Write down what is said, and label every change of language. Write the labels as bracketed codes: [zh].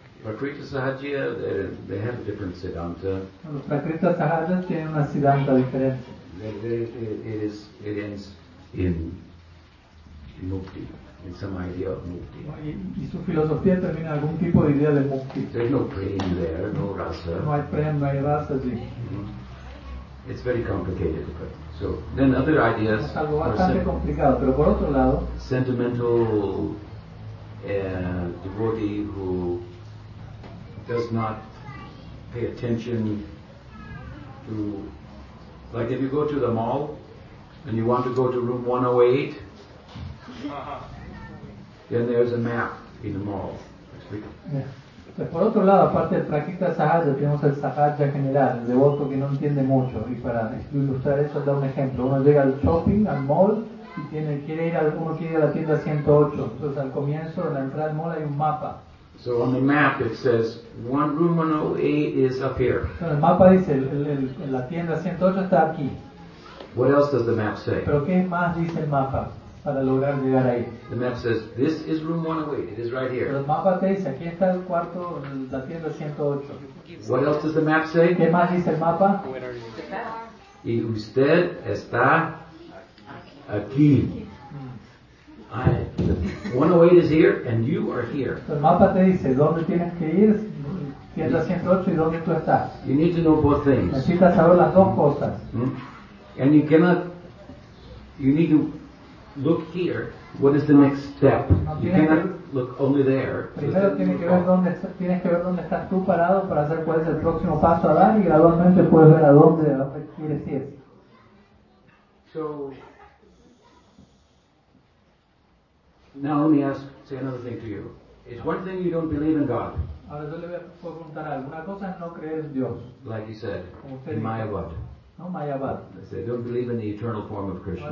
[en] Prakriti Sahajiya, they have a different Siddhanta. [es] Los Prakriti Sahajiya tienen una Siddhanta diferente. [en] It ends in Mukti. In some idea of mukti. [es] Y su filosofía termina algún tipo de idea de mukti. [en] There's no prem there, no rasa. [es] No hay prem, no hay rasa, sí. [en] It's very complicated, but so then other ideas. [es] Es algo bastante complicado, pero por otro lado. [en] Sentimental devotee who does not pay attention to, like if you go to the mall and you want to go to room 108. Then there's a map in the mall. Yeah. [es] Por otro lado, aparte del Prakriti Sahaja, tenemos el Sahaja general, el devoto que no entiende mucho. Y para ilustrar eso, da un ejemplo. Uno llega al shopping, al mall, y uno quiere ir a la tienda 108. Entonces, al comienzo, en la entrada del mall, hay un mapa. [en] So on the map, it says, one room 108 is up here. [es] Entonces, el mapa dice, la tienda 108 está aquí. [en] What else does the map say? [es] Pero ¿qué más dice el mapa? Para lograr llegar ahí. [en] The map says, this is room 108, it is right here. [es] El mapa te dice, aquí está el cuarto, la tienda 108. [en] What else does the map say? [es] ¿Qué más dice el mapa? Y usted está aquí. [en] I, 108 is here, and you are here. [es] El mapa te dice, ¿dónde tienes que ir? Tienda 108, ¿y dónde tú estás? [en] You need to know both things. [es] Necesitas saber las dos cosas. Mm-hmm. [en] And you cannot, you need to look here, what is the next step? You cannot look only there. [es] Primero tienes que ver dónde estás tú parado para saber cuál es el próximo paso a dar y gradualmente puedes ver a dónde quieres ir. [en] So, now let me ask, say another thing to you. It's one thing you don't believe in God. [es] Ahora yo le voy a preguntar algo. Una cosa es no creer en Dios. [en] Like you said, in my what? No, Mayavad. They don't believe in the eternal form of Krishna.